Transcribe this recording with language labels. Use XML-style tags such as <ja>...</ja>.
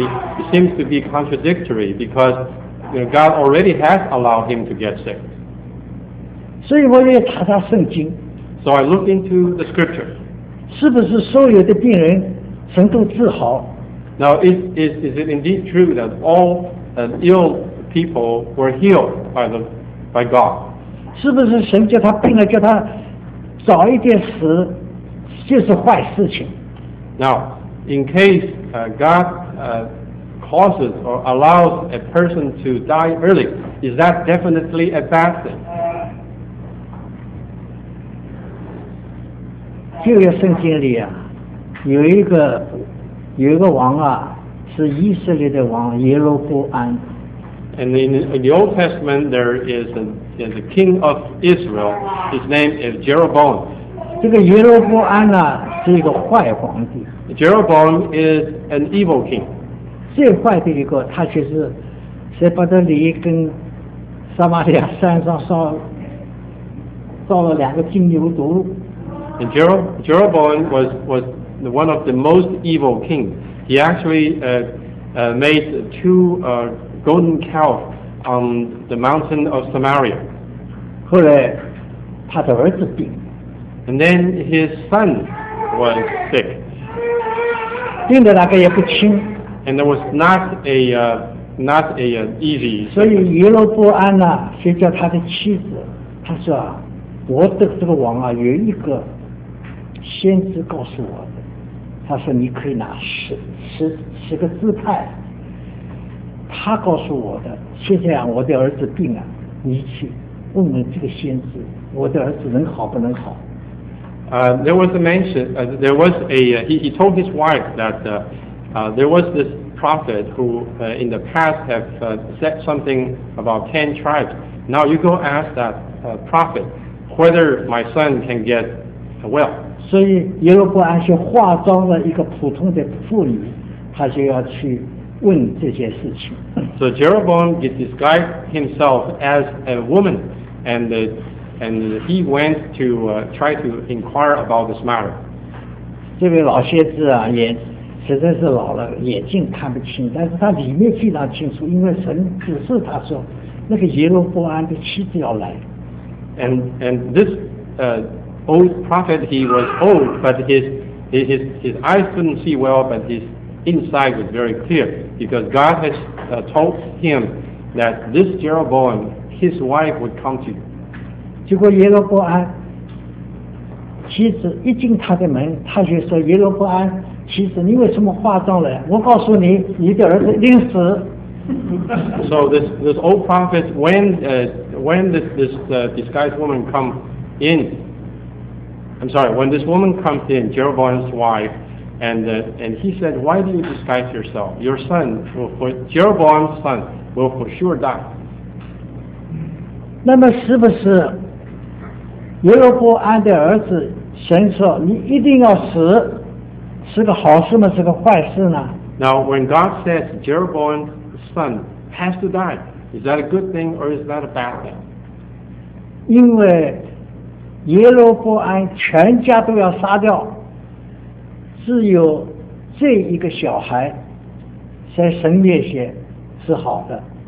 <en>It seems to be contradictory because you know, God already has allowed him to get sick.</en> <zh>所以我也查查圣经。</zh> <en>So I looked into the scripture.</en> <zh>是不是所有的病人神都治好？</zh> <en>Now is it indeed true that all ill people were healed by God?</en> <zh>是不是神叫他病了，叫他早一点死，就是坏事情？</zh> <en>Now in case God causes or allows a person to die early, is that definitely a bad thing?</en> <zh>旧约圣经里啊，有一个王啊，是以色列的王耶罗波安。</zh> <en>And in the Old Testament, there is a king of Israel. His name is Jeroboam.</en> <zh>这个耶罗波安啊，是一个坏皇帝。</zh> <en>Jeroboam is an evil king.</en> <zh>最坏的一个，他就是塞巴德里跟撒玛利亚山上烧了两个金牛犊。</zh> <en>And Jeroboam was one of the most evil kings. He actually made two golden calves on the mountain of Samaria.</en> <zh>后来他的儿子病。</zh> <en>And then his son was sick.</en> <zh>病的那个也不轻。</zh> <en>And there was not an easy sickness.</en> <zh>所以耶罗波安呢，就叫他的妻子，他说：“我的这个王啊，有一个。” 先知告诉我的，他说你可以拿十个支派，他告诉我的，现在我的儿子病了，你去问问这个先知，我的儿子能好不能好。</zh> <en>There was a mention, there was a, he told his wife that there was this prophet who in the past have said something about 10 tribes. Now you go ask that prophet whether my son can get well.</en> <zh>所以耶罗波安就化妆了一个普通的妇女，他就要去问这些事情。</zh> <en>So Jeroboam disguised himself as a woman, and he went to try to inquire about this matter.</en> <zh>这位老先知啊，眼实在是老了，眼睛看不清，但是他里面非常清楚，因为神指示他说，那个耶罗波安的妻子要来。</zh> <en>And this old prophet, he was old, but his eyes couldn't see well, but his insight was very clear. because God has told him that this Jeroboam, his wife would come to you.</en> <zh>结果耶罗波安妻子一进他的门，他就说：“耶罗波安妻子，你为什么化妆了？我告诉你，你的儿子临死。”</zh> <en>So this old prophet, when this disguised woman come in, I'm sorry, when this woman comes in, Jeroboam's wife, and he said, "Why do you disguise yourself? Your son, for Jeroboam's son, will for sure die."</en> <zh>那么是不是耶罗波安的儿子神说你一定要死，是个好事吗？是个坏事呢</zh> <en>？Now when God says Jeroboam's son has to die, is that a good thing or is that a bad thing?</en> <zh>因为耶罗波安全家都要杀掉，只有这一个小孩在神面前是好的。</zh>